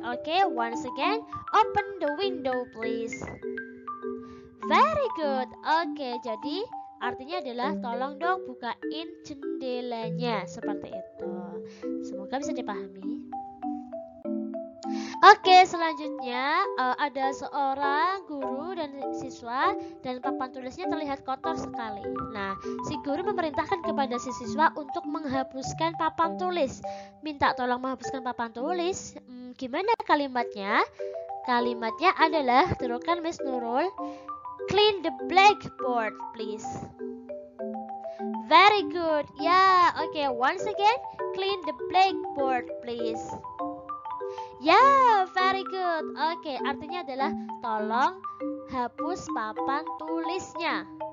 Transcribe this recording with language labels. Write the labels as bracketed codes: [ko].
[en] Oke, okay, once again, open the window, please. Very good. [id] Oke, okay, jadi artinya adalah tolong dong bukain jendelanya. Seperti itu. Semoga bisa dipahami. Oke, okay, selanjutnya ada seorang guru dan siswa dan papan tulisnya terlihat kotor sekali. Nah, si guru memerintahkan kepada si siswa untuk menghapuskan papan tulis. Minta tolong menghapuskan papan tulis. Gimana kalimatnya? Kalimatnya adalah, terukan, [en] Miss Nurul. Clean the blackboard, please. Very good. Ya, yeah, oke, okay, once again, clean the blackboard, please. Ya, yeah, very good. [id] Oke, okay, artinya adalah tolong hapus papan tulisnya.